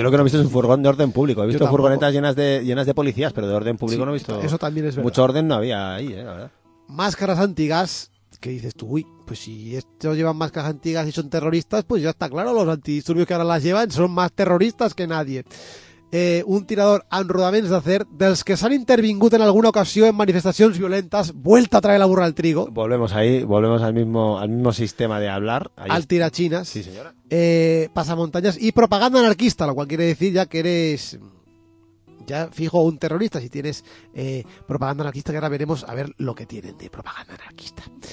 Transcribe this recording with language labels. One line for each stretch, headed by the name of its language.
Spanish: yo lo que no he visto es un furgón de orden público. He visto furgonetas llenas de policías, pero de orden público sí, no he visto. Eso también es verdad. Mucho orden no había ahí, la verdad. Máscaras antigas, que dices tú, uy, pues si estos llevan máscaras antigas y son terroristas, pues ya está claro, los antidisturbios que ahora las llevan son más terroristas que nadie.
Catalan: Un tirador amb rodaments d'acer dels que s'han intervingut en alguna ocasió en manifestacions violentes,
Spanish: vuelta a traer la burra al trigo. Volvemos ahí, volvemos al mismo sistema de hablar. Ahí al tirachinas. Sí, señora. Pasamontañas y propaganda anarquista, lo cual quiere decir ya que eres ya fijo un terrorista si tienes propaganda anarquista, que ahora veremos a ver lo que tienen de propaganda anarquista.